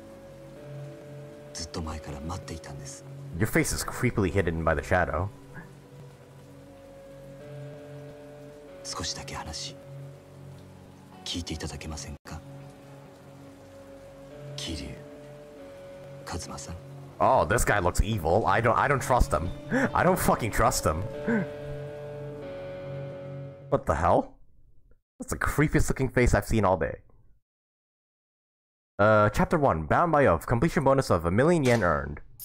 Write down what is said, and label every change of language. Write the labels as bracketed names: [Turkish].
[Japanese] このままだと風邪を引いてしまいますよ。私は橘と申します。橘。あなたが今置かれている状況はすべて承知しています。私はあなたと会うこの時をずっと前から待っていたんです。 [English] Your face is creepily hidden by the shadow. [Japanese] 少しだけ話聞いていただけませんか? Kiryu. Kazuma-san. [English] Oh, this guy looks evil. I don't trust him. I don't fucking trust him. What the hell? That's the creepiest looking face I've seen all day. Chapter 1, Bound by Oath, completion bonus of 1,000,000 yen earned.